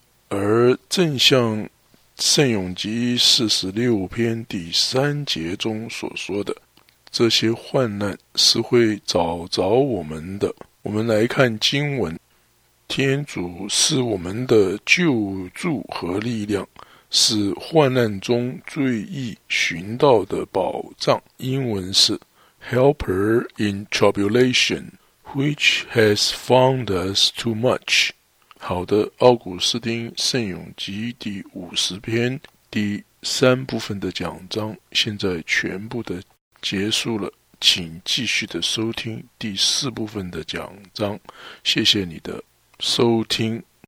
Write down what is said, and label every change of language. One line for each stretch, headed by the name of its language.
Chinese: 而正像圣咏集四十六篇第三节中所说的，这些患难是会找着我们的。我们来看经文，天主是我们的救助和力量，是患难中最易寻到的宝藏。英文是
English: Helper in tribulation, which has found us too much.
Chinese: 好的，奥古斯丁圣咏集第五十篇第三部分的讲章现在全部的结束了。请继续的收听第四部分的讲章，谢谢你的收听。